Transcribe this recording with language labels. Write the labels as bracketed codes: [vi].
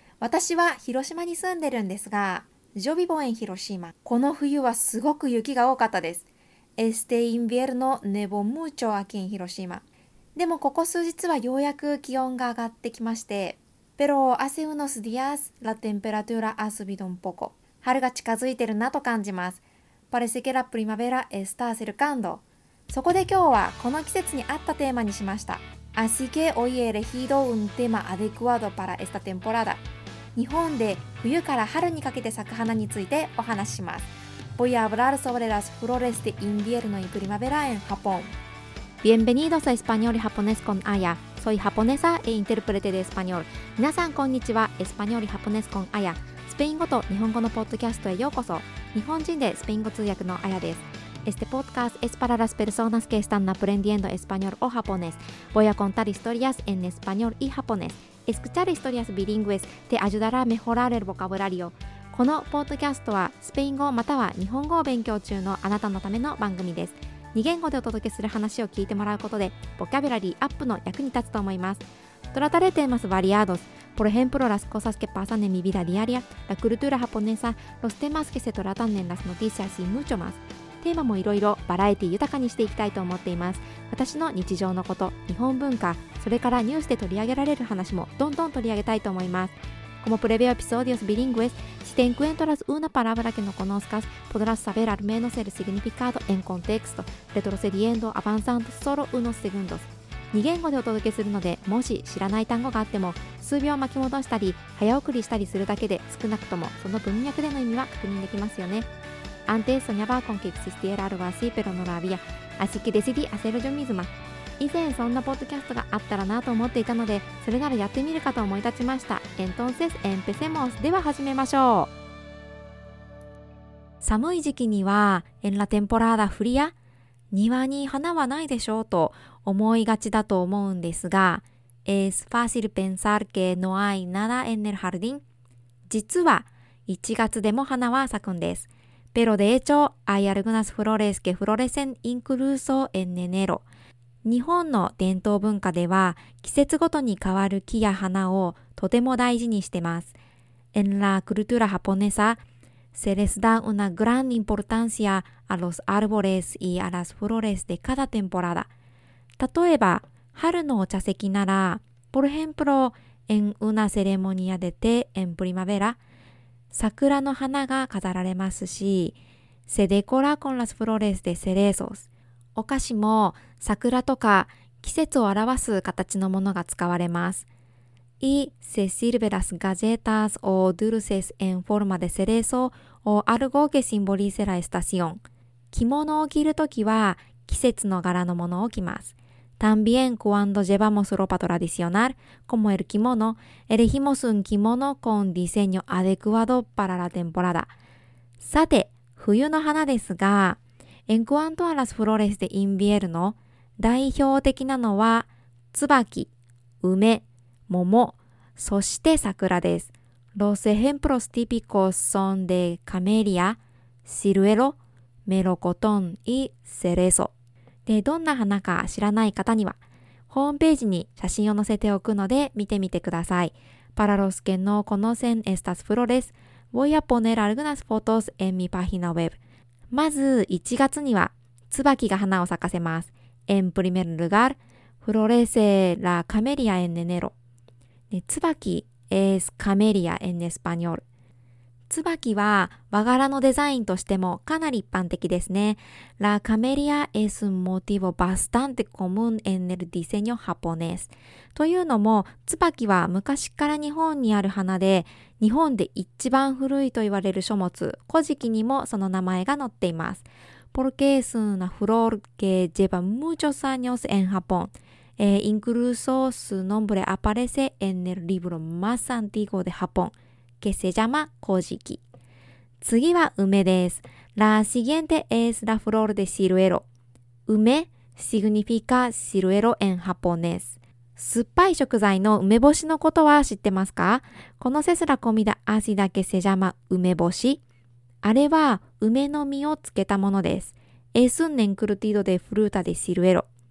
[ja] 私は広島に住んでるんですが、 [es] Yo vivo en Hiroshima. [ja] この冬はすごく雪が多かったです。 [es] Este invierno nevó mucho aquí en Hiroshima. [ja] でもここ数日はようやく気温が上がってきまして、 [es] Pero hace unos días la temperatura ha subido un poco. [ja] 春が近づいてるなと感じます。 [es] Parece que la primavera está acercando. [ja] そこで今日はこの季節に合ったテーマにしました。 [es] Así que hoy he elegido un tema adecuado para esta temporada. [ja] 日本で冬から春にかけて咲く花についてお話しします。 [es] Voy a hablar sobre las flores de invierno y primavera en Japón. Bienvenidos a Español y Japonés con Aya. Soy japonesa e intérprete de español. [ja] 皆さんこんにちは。 [es] Español y Japonés con Aya。 [ja] スペイン語と日本語のポッドキャストへようこそ。日本人でスペイン語通訳のAyaです。 [es] Este podcast es para las personas que están aprendiendo español o japonés. Voy a contar historias en español y japonés. Escuchar historias bilingües te ayudará a mejorar el vocabulario. [ja] このポッドキャストはスペイン語または日本語を勉強中のあなたのための番組です。 2言語でお届けする話を聞いてもらうことで、ボキャブラリーアップの役に立つと思います。 [es] Trataré temas variados. Por ejemplo, las cosas que pasan en mi vida diaria, la cultura japonesa, los temas que se tratan en las noticias y mucho más. [ja] テーマもいろいろバラエティ豊かにしていきたいと思っています。私の日常のこと、日本文化、それからニュースで取り上げられる話もどんどん取り上げたいと思います。 [es] Como previo episodios bilingües, si te encuentras una palabra que no conozcas, podrás saber al menos el significado en contexto, retrocediendo, avanzando solo unos segundos. [ja] 2言語でお届けするので、もし知らない単語があっても、数秒巻き戻したり、早送りしたりするだけで、少なくともその文脈での意味は確認できますよね。 [es] Antes soñaba con que existiera algo así, pero no lo había. Así que decidí hacer yo misma. [ja] 以前そんなポッドキャストがあったらなと思っていたので、それならやってみるかと思い立ちました。 [es] Entonces empecemos. [ja] では始めましょう。寒い時期には、 [es] en la temporada fría? [ja] 庭に花はないでしょうと思いがちだと思うんですが、 [es] Es fácil pensar que no hay nada en el jardín. [ja] 実は1月でも花は咲くんです。 [es] Pero de hecho, hay algunas flores que florecen incluso en enero. [ja] 日本の伝統文化では季節ごとに変わる木や花をとても大事にしてます。 [es] En la cultura japonesa,Se les da una gran importancia a los árboles y a las flores de cada temporada. [ja] 例えば、春のお茶席なら、 [es] Por ejemplo, en una ceremonia de té en primavera, [ja] 桜の花が飾られますし、 [es] Se decora con las flores de cerezos. [ja] お菓子も桜とか季節を表す形のものが使われます。 [es] Y se sirve las galletas o dulces en forma de cerezo o algo que simbolice la estación. [ja] 着物を着るときは季節の柄のものを着ます。 [es] También cuando llevamos ropa tradicional, como el kimono, elegimos un kimono con diseño adecuado para la temporada. [ja] さて、冬の花ですが、 [es] en cuanto a las flores de invierno, [ja] 代表的なのは椿、梅、桃、そして桜です。 [es] Los ejemplos típicos son de camelia, ciruelo, melocotón y cerezo. [ja] で、どんな花か知らない方には、ホームページに写真を載せておくので見てみてください。 [es] Para los que no conocen estas flores, voy a poner algunas fotos en mi página web. [ja] まず、1月には椿が花を咲かせます。 [es] En primer lugar, florece la camelia en enero. 椿 es camelia en español. [ja] 椿は和柄のデザインとしてもかなり一般的ですね。 [es] La camelia es un motivo bastante común en el diseño japonés. [ja] というのも、椿は昔から日本にある花で、日本で一番古いと言われる書物、古事記にもその名前が載っています。 [es] Porque es una flor que lleva muchos años en Japón. Incluso su nombre aparece en el libro más antiguo de Japón, que se llama Kojiki. [ja] 次は梅です。 [es] La siguiente es la flor de ciruelo. 梅 significa ciruelo en japonés. [ja] 酸っぱい食材の梅干しのことは知ってますか？ [es] Conoces la comida ácida que se llama 梅干し？ [ja] あれは梅の実をつけたものです。 [es] Es un encurtido de fruta de ciruelo.